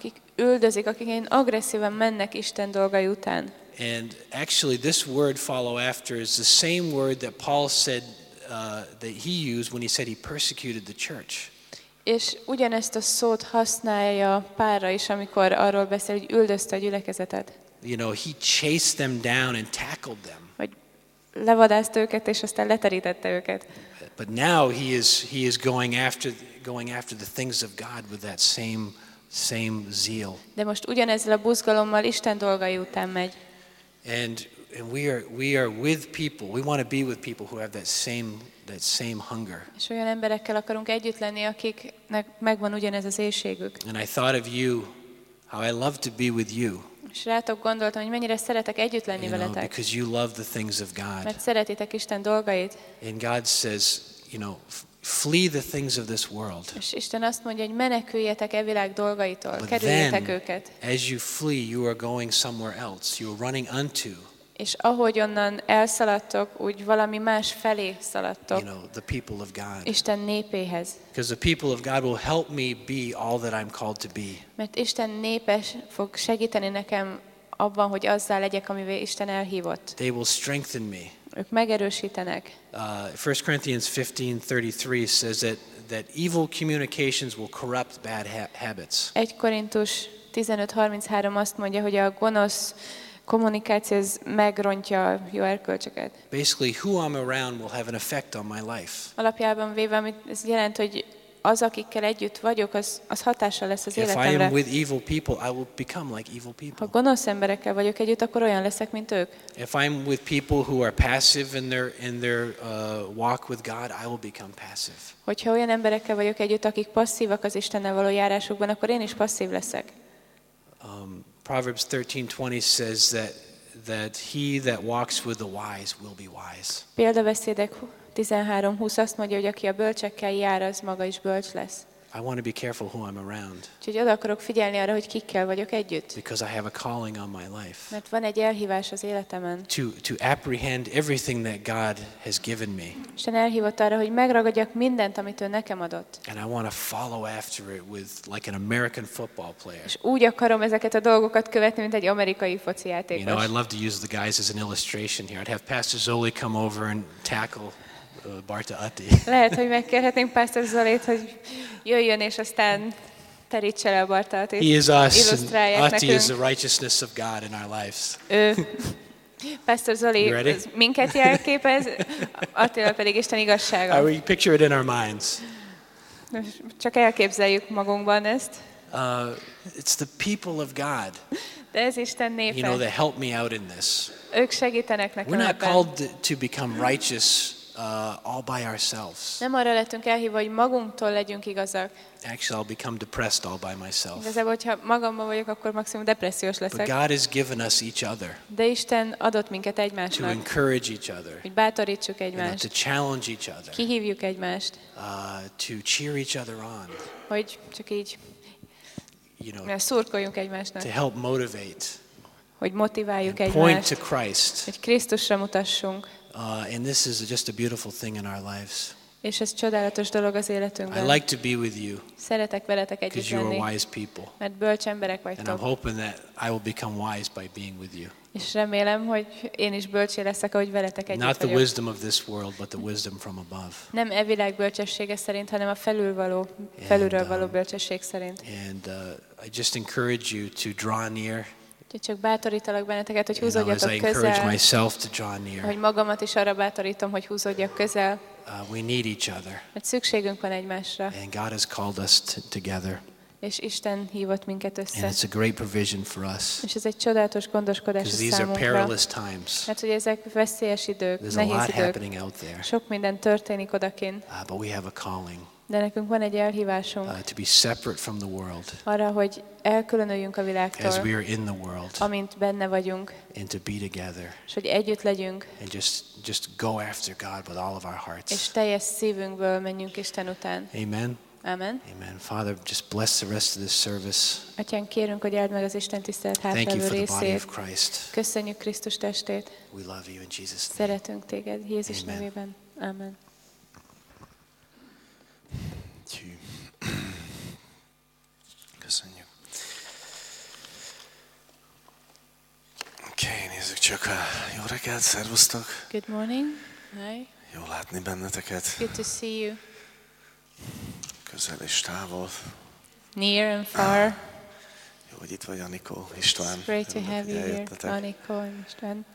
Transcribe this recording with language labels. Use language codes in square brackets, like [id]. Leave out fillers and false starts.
[hu] Akik üldözik, akik én agresszíven mennek Isten dolgai után. [en] And actually this word follow after is the same word that Paul said that he used when he said he persecuted the church. [hu] És ugyanezt a szót használja Pálra is, amikor arról beszél, hogy üldözte a gyülekezetet. [en] You know, he chased them down and tackled them. [hu] Hogy levadászta őket és aztán leterítette őket. [en] But now he is going after the things of God with that same zeal. [hu] De most ugyanezzel a buzgalommal Isten dolgai után megy. [en] And we are with people. We want to be with people who have that same hunger. [hu] És olyan emberekkel akarunk együtt lenni, akiknek megvan ugyanez az éhségük. [en] And I thought of you, how I love to be with you. [hu] És rátok gondoltam, hogy mennyire szeretek együtt lenni veletek. [en] Because you love the things of God. [hu] Mert szeretitek Isten dolgait. [en] And God says, you know, flee the things of this world. [hu] És Isten azt mondja, hogy meneküljetek e világ dolgaitól, kerüljetek őket. [en] As you flee, you are going somewhere else. You are running unto. [hu] És ahogy onnan elszaladtok, úgy valami más felé szaladtok. [en] You know, the people of God. [hu] Isten népéhez. [en] Because the people of God will help me be all that I'm called to be. [hu] Mert Isten népe fog segíteni nekem abban, hogy azzá legyek, amivé Isten elhívott. [en] They will strengthen me. [hu] Ők megerősítenek. [en] 1 Corinthians 15:33 says that evil communications will corrupt bad habits. [hu] 1 Korintus 15:33 azt mondja, hogy a gonosz kommunikáció megrontja jó erkölcsöket. [en] Basically, who I'm around will have an effect on my life. [hu] Alapjában véve, amit ez jelent, hogy az, akikkel együtt vagyok, az hatással lesz az életemre. [en] If I am with evil people, I will become like evil people. [hu] Ha gonosz emberekkel vagyok együtt, akkor olyan leszek, mint ők. [en] If I'm with people who are passive in their walk with God, I will become passive. [hu] Hogyha olyan emberekkel vagyok együtt, akik passzívak az Istennel való járásukban, akkor én is passzív leszek. [en] Proverbs 13:20 says that he that walks with the wise will be wise. [hu] Példabeszédek 13:20 azt mondja, hogy aki a bölcsekkel jár, az maga is bölcs lesz. [en] I want to be careful who I'm around. [hu] Úgyhogy oda akarok figyelni arra, hogy kikkel vagyok együtt. [en] Because I have a calling on my life. [hu] Mert van egy elhívás az életemen. [en] To apprehend everything that God has given me. [hu] Isten elhívott arra, hogy megragadjak mindent, amit ő nekem adott. [en] And I want to follow after it with like an American football player. [hu] És úgy akarom ezeket a dolgokat követni, mint egy amerikai foci játékos. [en] You know, I'd love to use the guys as an illustration here. I'd have Pastor Zoli come over and tackle Barta Atti. [hu] Lehet, hogy megkérhetnénk Pastor Zolit, hogy jöjjön és aztán terítse le a Barta Attit. [en] He is us. Atti is the righteousness of God in our lives. [hu] Pastor Zoli minket jelképez, Attila pedig Isten igazsága. [en] We picture it in our minds. [hu] Csak elképzeljük magunkban ezt. [en] It's the people of God. [hu] De ez Isten népe. [en] You know, they help me out in this. [hu] Ők segítenek nekem. [en] We're not called to become righteous all by ourselves. [hu] Nem arra lettünk elhívva, hogy magunktól legyünk igazak. [en] Actually, I'll become depressed all by myself. [hu] Igazából, hogyha magamban vagyok, akkor maximum depressziós leszek. [en] But God has given us each other. [hu] De Isten adott minket egymásnak. [en] To encourage each other. [hu] Hogy bátorítsuk egymást. [en] You know, to challenge each other. [hu] Kihívjuk egymást. [en] To cheer each other on. [hu] Hogy csak így. [en] You know. [hu] Szurkoljunk egymásnak. [en] To help motivate. [hu] Hogy motiváljuk egymást. [en] Point to Christ. [hu] Hogy Krisztusra mutassunk. [en] And this is just a beautiful thing in our lives. [hu] És ez csodálatos dolog az életünkben. [en] I like to be with you. [hu] Szeretek veletek együtt lenni. [en] Because you are wise people. [hu] Mert bölcs emberek vagytok. [en] And I'm hoping that I will become wise by being with you. [hu] És remélem, hogy én is bölcsé leszek, ahogy veletek együtt vagyok. [en] Not the wisdom of this world, but the wisdom from above. [hu] Nem e világ bölcsessége szerint, hanem a felülről való bölcsesség szerint. [en] And I just encourage you to draw near. [hu] Csak bátorítalak benneteket, hogy húzódjatok közel. Hogy magamat is arra bátorítom, hogy húzódjak közel. [en] We need each other. [hu] Mert szükségünk van egymásra. [en] And God has called us together. [hu] És Isten hívott minket össze. [en] And it's a great provision for us. [hu] És ez egy csodálatos gondoskodás számunkra. [en] Because these are perilous times. [hu] Mert hogy ezek veszélyes idők, [en] there's [hu] nehéz [en] a lot [hu] idők. [en] Happening out there. [hu] Sok minden történik odakint. [en] But we have a calling. [hu] De nekünk van egy elhívásunk. [en] To be separate from the world. [hu] Arra, hogy elkülönüljünk a világtól. [en] As we are in the world. [hu] Amint benne vagyunk. [en] And to be together. [hu] És hogy együtt legyünk. [en] And just go after God with all of our hearts. [hu] És teljes szívünkből menjünk Isten után. Amen. Amen. Amen. [en] Father, just bless the rest of this service. [hu] Atyán, kérünk, hogy áld meg az Isten tisztelt hátra részét. [en] Thank you for [hu] részét. [en] The body of Christ. [hu] Köszönjük Krisztus testét. [en] We love you in Jesus' name. [hu] Szeretünk téged Jézus nevében. Amen. Köszönjük. Oké, nézzük csak a jó reggelt, szervusztok. [en] Good morning. Hi. [hu] Jó látni benneteket. [en] Good to see you. [hu] Közel és távol. [en] Near and far. [hu] Jó, hogy itt vagy, Anikó, István. [en] It's great to have you here, Anikó and István.